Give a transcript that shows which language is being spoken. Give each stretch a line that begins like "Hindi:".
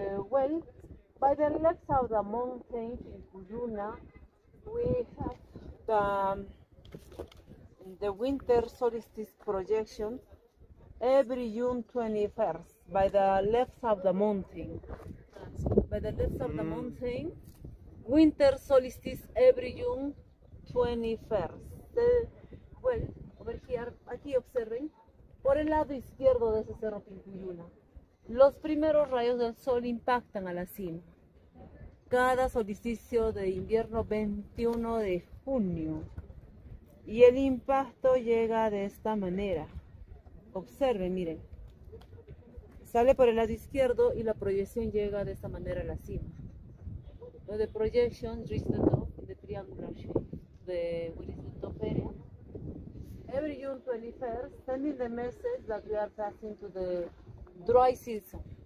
English: Well, by the legs of the mountain in Cuyuna, we have the winter solstice projection every June 21st by the left of the mountain. By the left of the mountain, winter solstice every June 21st. Well, over here,
Spanish: aquí observen, por el lado izquierdo de ese cerro Pincuyuna, los primeros rayos del sol impactan a la cima. Cada solsticio de invierno 21 de junio. Y el impacto llega de esta manera. Observen, miren. Sale por el lado izquierdo y la proyección llega de esta manera a la cima.
English: So the projection reaches the top in the triangular shape. The which is the top area. Every June 21st, sending the message that we are passing to the dry season.